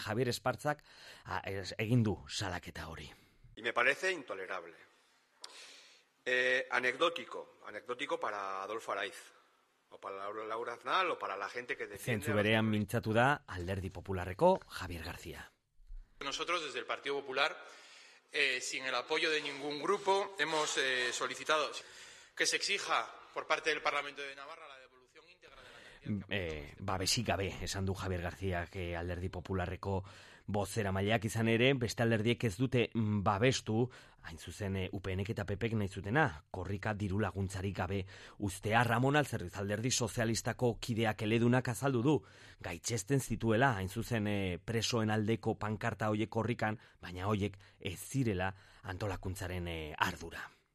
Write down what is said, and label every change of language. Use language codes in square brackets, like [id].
[eu] Javier Espartzak egin du salaketa hori. [es] Y me parece intolerable. Anecdótico para Adolfo Araiz o para Laura Aznal o para la gente que defiende. [eu] Zentzu berean mintzatu da Alderdi Popularreko Javier García. [es] Nosotros desde el Partido Popular, sin el apoyo de ningún grupo, hemos solicitado que se exija por parte del Parlamento de Navarra la devolución íntegra de la cantidad. [eu] Babesik gabe, esan du Javier García, que Alderdi Popularreko bozeramaileak izan ere, beste alderdiek ez dute babestu, hain zuzen UPNek eta PPek nahi zutena, korrika diru laguntzarik gabe. Ustea Ramon Alzerriz Alderdi Sozialistako kideak eledunak azaldu du, gaitxesten zituela, hain zuzen presoen aldeko pankarta hoiek korrikan, baina hoiek ez zirela antolakuntzaren ardura.